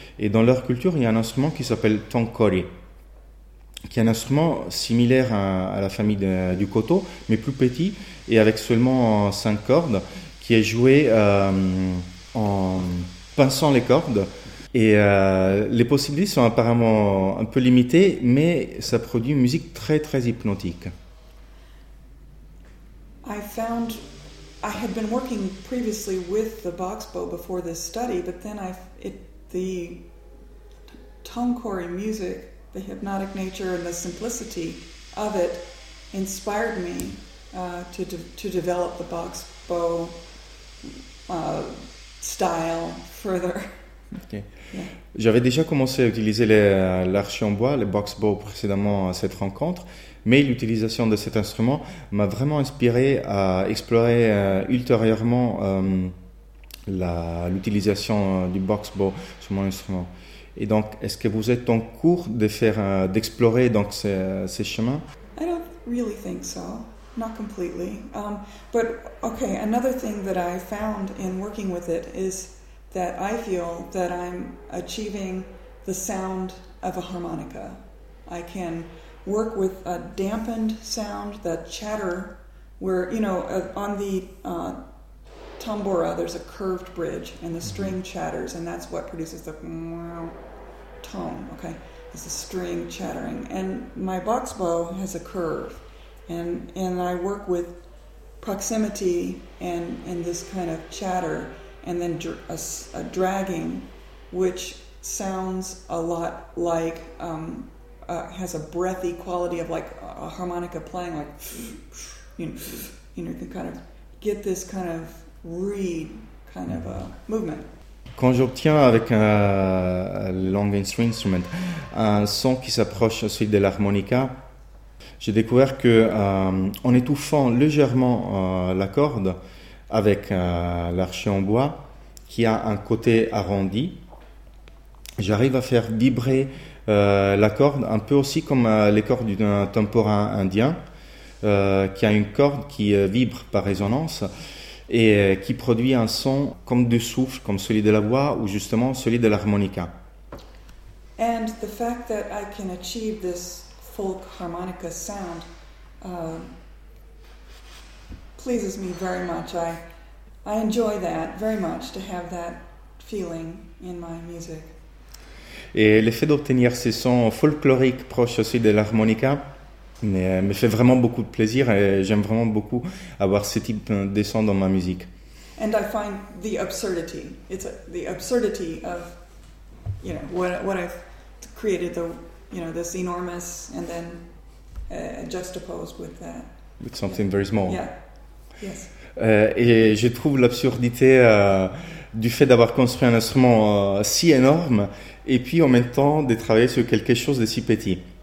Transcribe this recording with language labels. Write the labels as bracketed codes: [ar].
[fr] Et dans leur culture, il y a un instrument qui s'appelle tonkori, qui est un instrument similaire à la famille du koto, mais plus petit et avec seulement 5 cordes, qui est joué en pinçant les cordes, et les possibilités sont apparemment un peu limitées, mais ça produit une musique très très hypnotique. [en] I found I had been working previously with the box bow before this study, but then the tonkori music, the hypnotic nature and the simplicity of it inspired me to develop the box bow style further. Okay. Yeah. [fr] J'avais déjà commencé à utiliser l'archet en bois, le box bow, précédemment à cette rencontre, mais l'utilisation de cet instrument m'a vraiment inspiré à explorer ultérieurement l'utilisation du box bow sur mon instrument. Et donc, est-ce que vous êtes en cours de d'explorer donc ces chemins? [en] I don't really think so. Not completely, but okay. Another thing that I found in working with it is that I feel that I'm achieving the sound of a harmonica. I can work with a dampened sound, that chatter, where you know on the tambora there's a curved bridge and the string chatters, and that's what produces the tone. Okay, it's the string chattering, and my box bow has a curve. And I work with proximity and this kind of chatter, and then a dragging, which sounds a lot like has a breathy quality of like a harmonica playing, like you know, you can kind of get this kind of reed kind of a movement. [fr] Quand j'obtiens avec un long instrument un son qui s'approche à celui de l'harmonica, j'ai découvert que en étouffant légèrement la corde avec l'archet en bois qui a un côté arrondi j'arrive à faire vibrer la corde, un peu aussi comme les cordes d'un tambourin indien, qui a une corde qui vibre par résonance et qui produit un son comme du souffle, comme celui de la voix ou justement celui de l'harmonica. [en] And the fact that I can achieve this folk harmonica sound pleases me very much. I enjoy that very much, to have that feeling in my music. [fr] Et le fait d'obtenir ce son folklorique proche aussi de l'harmonica me fait vraiment beaucoup de plaisir et j'aime vraiment beaucoup avoir ce type de son dans ma musique. [en] And I find the absurdity. It's the absurdity of, you know, what I've created, the, you know, this enormous and then juxtaposed with that. With something very small. Yeah. Yes. [fr] Et je trouve l'absurdité du fait d'avoir construit un instrument si énorme et puis en même temps de travailler sur quelque chose de si petit.